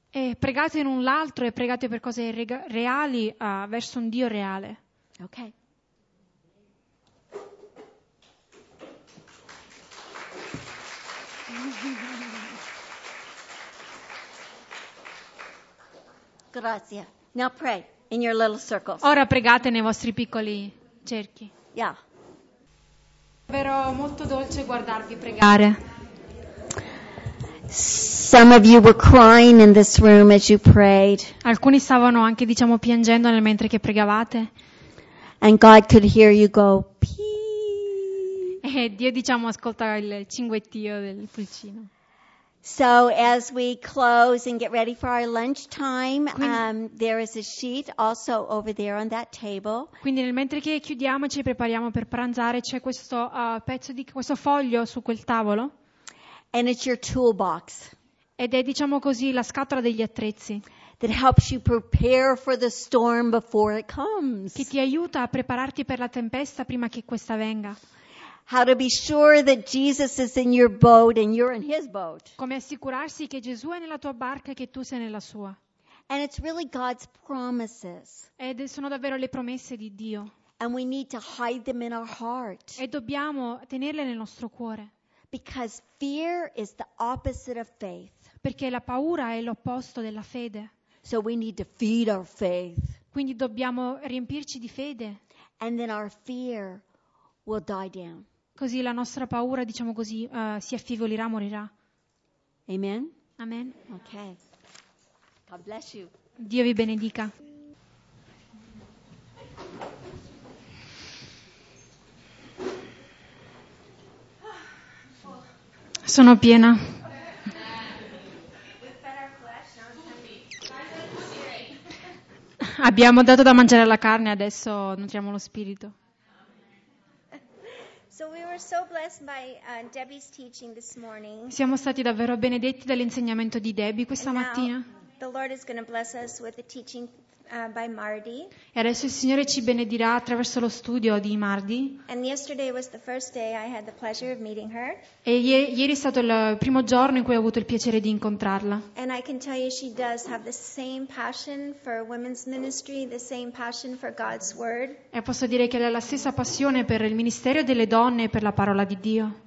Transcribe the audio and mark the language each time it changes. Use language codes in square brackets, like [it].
[it] E pregate in un l'altro e pregate per cose reali verso un Dio reale. Ok. Grazie. [en] Now pray in your little circles. [it] Ora pregate nei vostri piccoli cerchi. Yeah. Davvero molto dolce guardarvi pregare. [en] Some of you were crying in this room as you prayed. [it] Alcuni stavano anche diciamo piangendo nel mentre che pregavate. [en] And God could hear you go pee. [it] E Dio, diciamo, ascolta il cinguettio del pulcino. [en] So as we close and get ready for our lunch time, there is a sheet also over there on that table. [it] Quindi nel mentre che chiudiamo ci prepariamo per pranzare, c'è questo pezzo di questo foglio su quel tavolo. [en] And it's your toolbox. [it] Ed è, diciamo così, la scatola degli attrezzi. [en] That helps you prepare for the storm before it comes. [it] Che ti aiuta a prepararti per la tempesta prima che questa venga. [en] How to be sure that Jesus is in your boat and you're in his boat. [it] Come assicurarsi che Gesù è nella tua barca e che tu sei nella sua. [en] And it's really God's promises. [it] Ed sono davvero le promesse di Dio. [en] And we need to hide them in our heart. [it] E dobbiamo tenerle nel nostro cuore. [en] Because fear is the opposite of faith. [it] Perché la paura è l'opposto della fede. [en] So we need to feed our faith. [it] Quindi dobbiamo riempirci di fede. [en] And then our fear will die down. [it] Così la nostra paura, diciamo così, si affievolirà, morirà. [en] Amen. [it] Amen. [en] Okay. God bless you. [it] Dio vi benedica. Sono piena. Abbiamo dato da mangiare la carne, adesso nutriamo lo spirito. [en] So we were so blessed by Debbie's teaching this morning. [it] Siamo stati davvero benedetti dall'insegnamento di Debbie questa mattina. [en] The Lord is going to bless us with the teaching by Mardi. [it] E adesso il Signore ci benedirà attraverso lo studio di Mardi. [en] And yesterday was the first day I had the pleasure of meeting her. [it] E ieri è stato il primo giorno in cui ho avuto il piacere di incontrarla. [en] And I can tell you she does have the same passion for women's ministry, the same passion for God's word. [it] E posso dire che ha la stessa passione per il ministero delle donne e per la parola di Dio.